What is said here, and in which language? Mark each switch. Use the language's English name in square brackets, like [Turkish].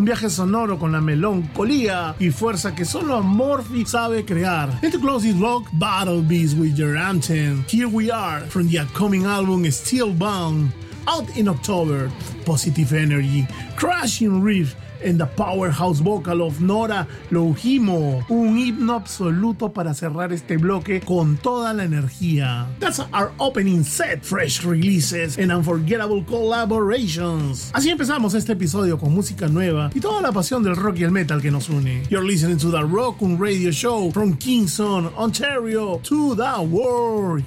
[Spanish] Un viaje sonoro con la melancolía y fuerza que solo Amorphis sabe crear. [English] And to close this vlog, Battle with your anthem, Here We Are, from the upcoming album Steel Bound, out in October. Positive energy, crashing riff, and the powerhouse vocal of Nora Lohimo. [Spanish] Un himno absoluto para cerrar este bloque con toda la energía. [English] That's our opening set, fresh releases and unforgettable collaborations. [Spanish] Así empezamos este episodio con música nueva y toda la pasión del rock y el metal que nos une. [English] You're listening to the Rock'em Radio Show from Kingston, Ontario, to the world.